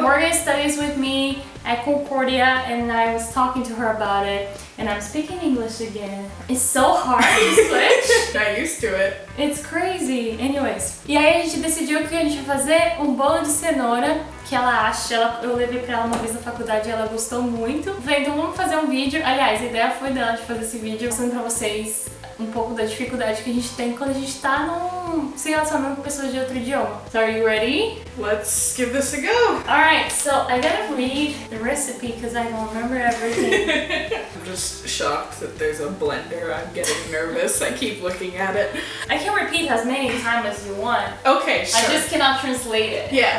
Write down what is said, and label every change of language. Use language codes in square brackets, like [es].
[en] Morgan studies with me at Concordia, and I was talking to her about it, and I'm speaking English again. It's so hard to switch. Not used to it. It's crazy. Anyways, [pt] e aí a gente decidiu que a gente ia fazer bolo de cenoura, que ela acha, eu levei pra ela uma vez na faculdade e ela gostou muito. Falei, então vamos fazer vídeo. Aliás, a ideia foi dela de fazer esse vídeo mostrando pra vocês um pouco da dificuldade que a gente tem quando a gente tá se relacionando com pessoas de outro idioma. [en] So, are you ready? Let's give this a go! Alright, so I gotta read the recipe because I don't remember everything. I'm just shocked that there's a blender. I'm getting nervous. I keep looking at it. I can repeat as many times as you want. Okay, sure. I just cannot translate it. Yeah.